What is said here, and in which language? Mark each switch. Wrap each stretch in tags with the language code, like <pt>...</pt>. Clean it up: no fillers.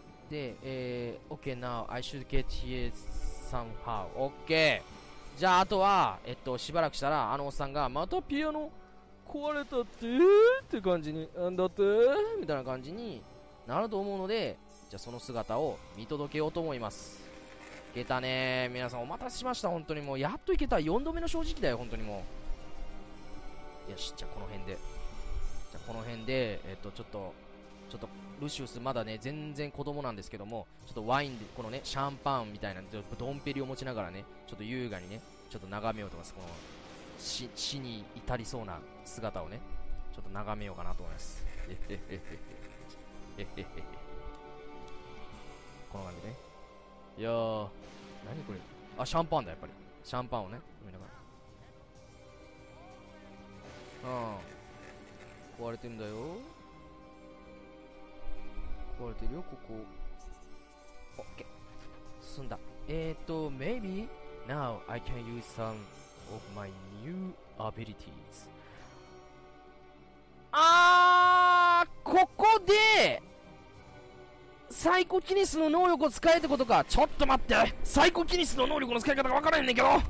<en>で、OK now, I should get here somehow. OK!</en> <ja>じゃあ、あとは、しばらくしたら、あのおっさんが、またピアノ壊れたってって感じに、なんだってみたいな感じになると思うので、じゃあその姿を見届けようと思います。いけたねー。皆さんお待たせしました。本当にもう、やっといけた。4度目の正直だよ、本当にもう。よし、じゃあこの辺で。じゃあこの辺で、ちょっと、ルシウスまだね全然子供なんですけども、ちょっとワインでこのねシャンパンみたいなドンペリを持ちながらね、ちょっと優雅にねちょっと眺めようと思います。この死に至りそうな姿をねちょっと眺めようかなと思います。この感じね。いやー、何これ。あ、シャンパンだ。やっぱりシャンパンをね飲みながら、うん、壊れてんだよ、壊れてるよ、ここ。オッケー、済んだ。</ja> <en>maybe now I can use some of my new abilities。</en> <ja>あー、ここでサイコキニスの能力を使えってことか。ちょっと待って、サイコキニスの能力の使い方が分からへんねんけど。</ja>